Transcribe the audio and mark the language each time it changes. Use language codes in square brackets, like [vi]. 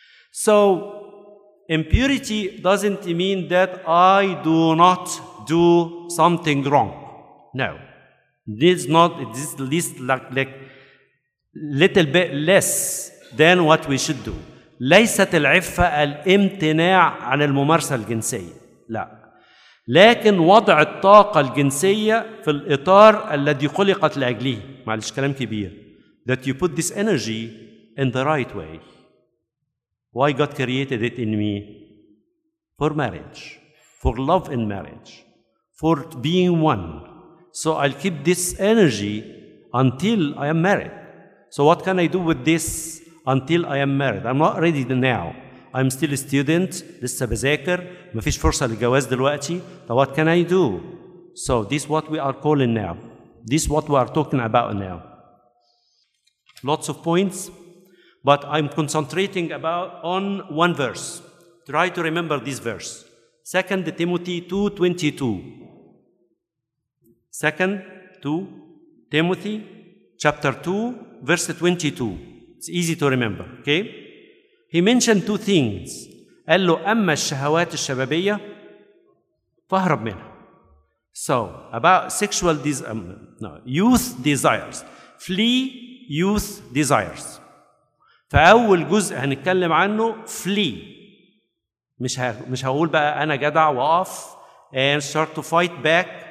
[en] So impurity doesn't mean that I do not do something wrong. No. This not this least like little bit less than what we should do. [ar] ليست العفة الامتناع عن الممارسة الجنسية، لا، لكن وضع الطاقة الجنسية في الإطار الذي خلقت لأجله. معلش كلام كبير. [en] That you put this energy in the right way. Why God created it in me? For marriage. For love in marriage. For being one. So I'll keep this energy until I am married. So what can I do with this until I am married? I'm not ready now. I'm still a student. [ar] لسه بذاكر. مفيش فرصة للجواز دلوقتي. [en] So what can I do? So this is what we are calling now. This is what we are talking about now. Lots of points. But I'm concentrating about on one verse. Try to remember this verse. 2 Timothy 2:22. 2 Timothy 2:22. It's easy to remember, okay? He mentioned two things. [ar] قال له أما الشهوات الشبابية فاهرب منها. [en] So about sexual youth desires, flee youth desires. [ar] فأول جزء هنتكلم عنه flee. مش هقول بقى أنا جدع وقف [en] and start to fight back.